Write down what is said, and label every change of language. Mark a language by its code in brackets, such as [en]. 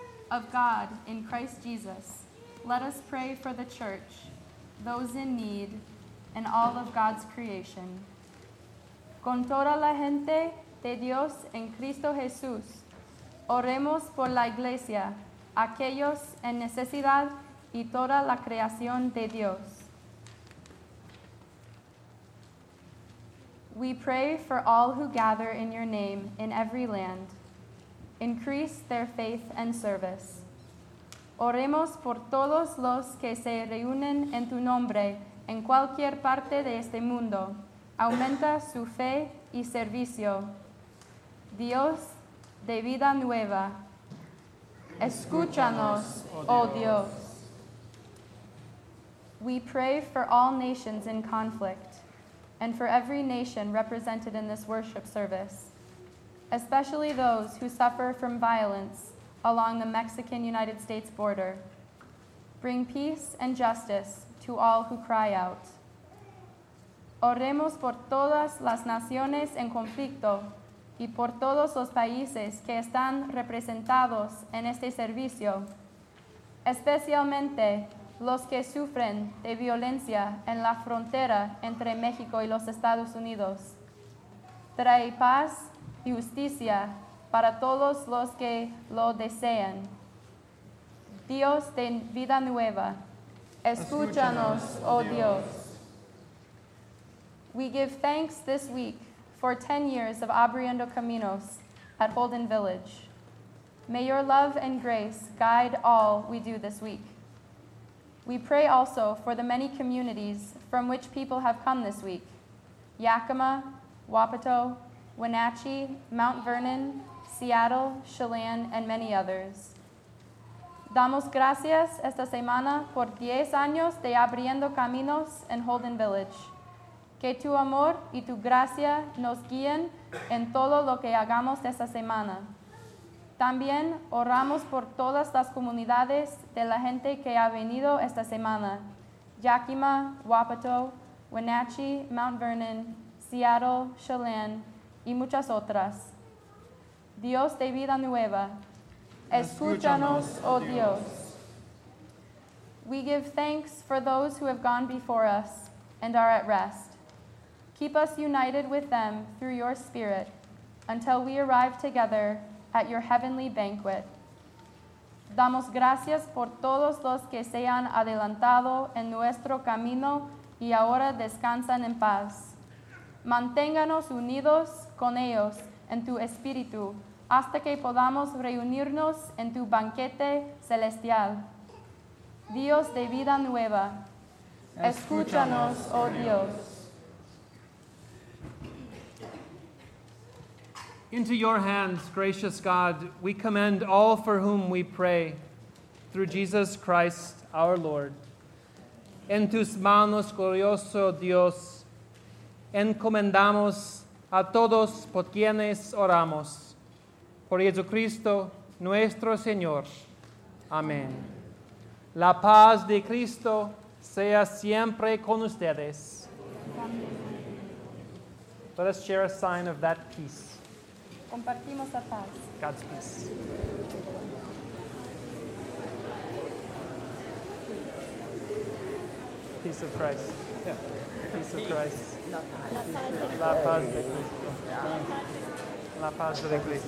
[en] Of God in Christ Jesus, let us pray for the church, those in need, and all of God's creation. [es] Con toda la gente de Dios en Cristo Jesús, oremos por la iglesia, aquellos en necesidad y toda la creación de Dios. [en] We pray for all who gather in your name in every land. Increase their faith and service. [es] Oremos por todos los que se reúnen en tu nombre en cualquier parte de este mundo. Aumenta su fe y servicio. Dios de vida nueva, escúchanos, oh Dios. [en] We pray for all nations in conflict and for every nation represented in this worship service, especially those who suffer from violence along the Mexican-United States border. Bring peace and justice to all who cry out. [es] Oremos por todas las naciones en conflicto y por todos los países que están representados en este servicio, especialmente los que sufren de violencia en la frontera entre México y los Estados Unidos. Trae paz y justicia para todos los que lo desean. Dios de vida nueva, escúchanos, oh Dios. [en] We give thanks this week for 10 years of Abriendo Caminos at Holden Village. May your love and grace guide all we do this week. We pray also for the many communities from which people have come this week: Yakima, Wapato, Wenatchee, Mount Vernon, Seattle, Chelan, and many others. [es] Damos gracias esta semana por 10 años de Abriendo Caminos en Holden Village. Que tu amor y tu gracia nos guíen en todo lo que hagamos esta semana. También oramos por todas las comunidades de la gente que ha venido esta semana. Yakima, Wapato, Wenatchee, Mount Vernon, Seattle, Chelan, y muchas otras. Dios de vida nueva, escúchanos, oh Dios. [en] We give thanks for those who have gone before us and are at rest. Keep us united with them through your Spirit until we arrive together at your heavenly banquet. [es] Damos gracias por todos los que se han adelantado en nuestro camino y ahora descansan en paz. Manténganos unidos con ellos en tu espíritu hasta que podamos reunirnos en tu banquete celestial. Dios de vida nueva, escúchanos, oh Dios. [en] Into your hands, gracious God, we commend all for whom we pray, through Jesus Christ, our Lord. [es] En tus manos, glorioso Dios, encomendamos a todos por quienes oramos. Por Jesucristo, nuestro Señor. Amén. La paz de Cristo sea siempre con ustedes. [en] Let us share a sign of that peace. [es] Compartimos la paz. [en] God's peace. Peace of Christ. Peace of Christ. [es] La paz de Cristo. [en] La paz de Cristo.